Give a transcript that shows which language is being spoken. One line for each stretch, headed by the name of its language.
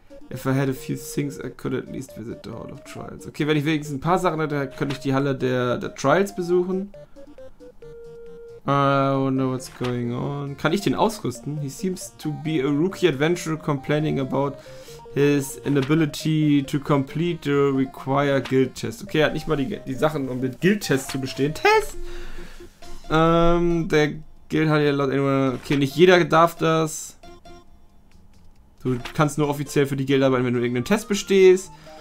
English: If I had a few things, I could at least visit the Hall of Trials.
German: Okay, wenn ich wenigstens ein paar Sachen hätte, könnte ich die Halle der Trials besuchen.
English: I wonder what's going on.
German: Kann ich den ausrüsten?
English: He seems to be a rookie adventurer complaining about his inability to complete the required guild test.
German: Okay, er hat nicht mal die Sachen, um den guild test zu bestehen. Test! Der guild hat ja laut anyone... Okay, nicht jeder darf das. Du kannst nur offiziell für die Guild arbeiten, wenn du irgendeinen Test bestehst.